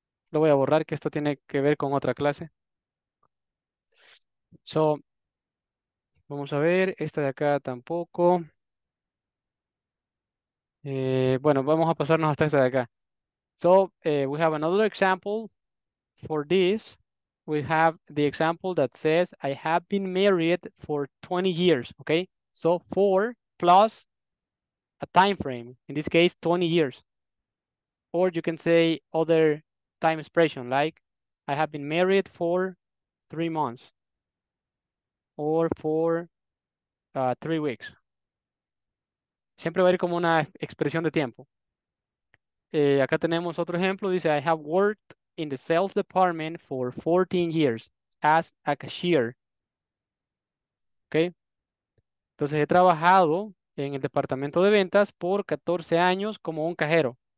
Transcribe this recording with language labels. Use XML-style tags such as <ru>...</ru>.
<es>Lo voy a borrar, que esto tiene que ver con otra clase. So, vamos a ver, esta de acá tampoco. Bueno, vamos a pasarnos hasta esta de acá.</es> <en>So, we have another example for this. We have the example that says, I have been married for 20 years, okay? So, four plus a time frame. In this case, 20 years. Or you can say other time expression like I have been married for 3 months or for 3 weeks.</en> <es>Siempre va a ir como una expresión de tiempo. Acá tenemos otro ejemplo.</es> <en>Dice, I have worked in the sales department for 14 years as a cashier. Okay.</en> <es>Entonces he trabajado en el departamento de ventas por 14 años como un cajero.</es>